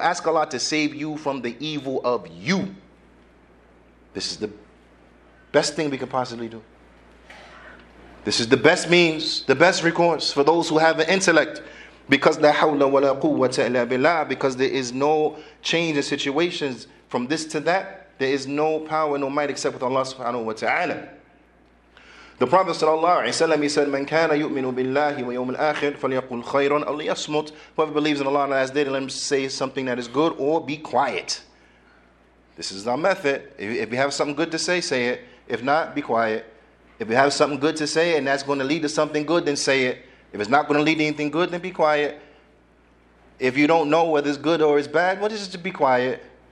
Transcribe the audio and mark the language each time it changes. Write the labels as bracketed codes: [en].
[en] Ask Allah to save you from the evil of you. This is the best thing we can possibly do. This is the best means, the best recourse for those who have an intellect. Because [ar] la hawla wa la quwwata illa billah, [en] because there is no change in situations from this to that, There is no power, no might except with Allah subhanahu wa ta'ala. The Prophet sallallahu alayhi wa sallam, he said, [ar] من كان يؤمن بالله ويوم الآخر فليقل خيرا أو ليصمت. [en] Whoever believes in Allah and last day, let him say something that is good or be quiet. This is our method. If you have something good to say, say it. If not, be quiet. If you have something good to say and that's going to lead to something good, then say it. If it's not going to lead to anything good, then be quiet. If you don't know whether it's good or it's bad, well, just be quiet.